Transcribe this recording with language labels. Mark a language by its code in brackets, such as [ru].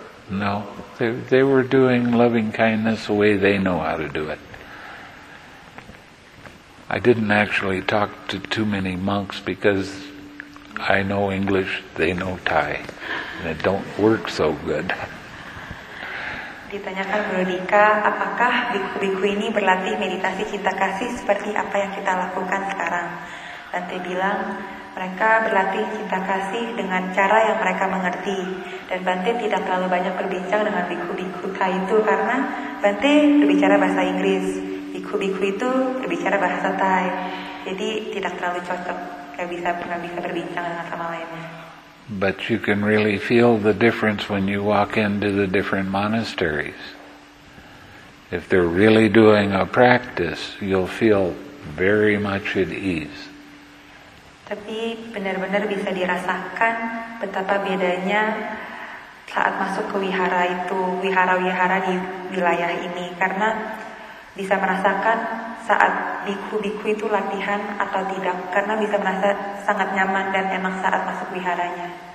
[en] No, they were doing loving kindness the way they know how to do it. I didn't actually talk to too many monks because I know English, they know Thai, and it don't work so good. [id] Ditanyakan Guru Dika, apakah biku-biku ini berlatih meditasi cinta kasih seperti apa yang kita lakukan sekarang? Dan dia bilang, mereka berlatih cinta kasih dengan cara yang mereka mengerti. Dan Bante tidak terlalu banyak berbincang dengan biku-biku Thai itu karena Bante berbicara bahasa Inggris. Biku-biku itu berbicara bahasa Thai. Jadi tidak terlalu cocok, gak bisa berbincang dengan sama lainnya. [en] But you can really feel the difference when you walk into the different monasteries. If they're really doing a practice, you'll feel very much at ease. [id] Tapi benar-benar bisa dirasakan betapa bedanya saat masuk ke wihara itu, wihara-wihara di wilayah ini. Karena bisa merasakan saat biku-biku itu latihan atau tidak. Karena bisa merasa sangat nyaman dan enak saat masuk wiharanya.